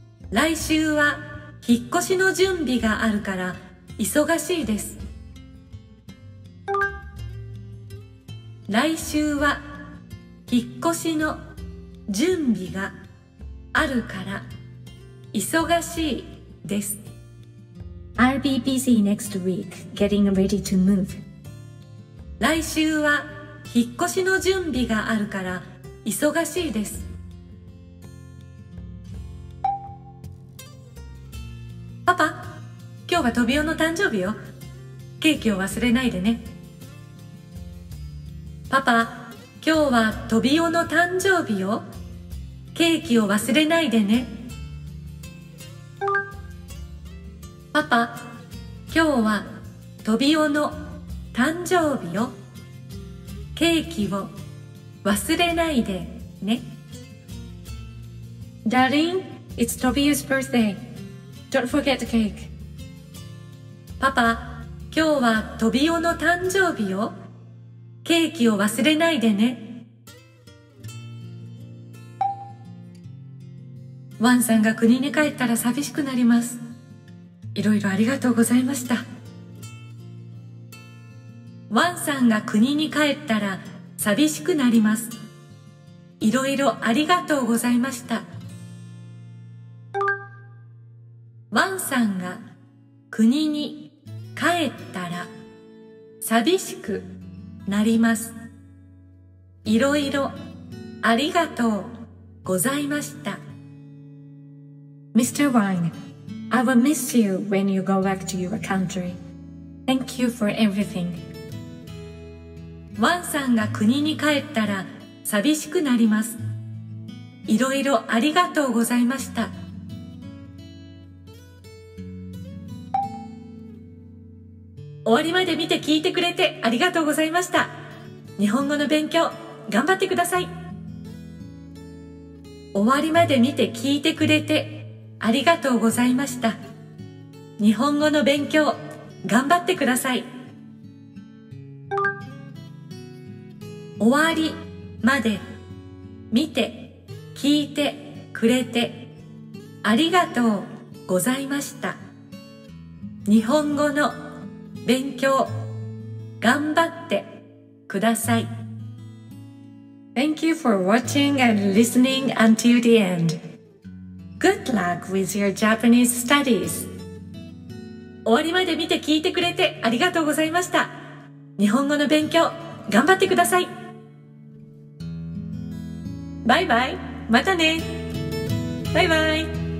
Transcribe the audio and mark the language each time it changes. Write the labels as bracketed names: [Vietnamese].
[Japanese] 来週は引っ越しの準備があるから忙しいです。来週は引っ越しの準備があるから忙しいです。 [English] I'll be busy next week getting ready to move。 [Japanese] 来週は引っ越しの準備があるから忙しいです。パパ、今日はトビオの誕生日よ。ケーキを忘れないでね。パパ、今日はトビオの誕生日よ。ケーキを忘れないでね。パパ、今日はトビオの誕生日よ。ケーキを忘れないでね。 [English] Darling, it's Tobio's birthday. Don't forget the cake. [Japanese] パパ、今日はトビオの誕生日よ。ケーキを忘れないでね。ワンさんが国に帰ったら寂しくなります。いろいろありがとうございました。ワンさんが国に帰ったら寂しくなります。いろいろありがとうございました。ワンさんが国に帰ったら寂しくなります。いろいろありがとうございました。 [English] Mr. Wine, I will miss you when you go back to your country. Thank you for everything. [Japanese] ワンさんが国に帰ったら寂しくなります。いろいろありがとうございました。終わりまで見て聞いてくれてありがとうございました。日本語の勉強頑張ってください。終わりまで見て聞いてくれてありがとうございました。日本語の勉強頑張ってください。終わりまで見て聞いてくれてありがとうございました。日本語の勉強頑張ってください。 [English] Thank you for watching and listening until the end. Good luck with your Japanese studies. [Japanese] 終わりまで見て聞いてくれてありがとうございました。日本語の勉強頑張ってください。バイバイ。またね。バイバイ。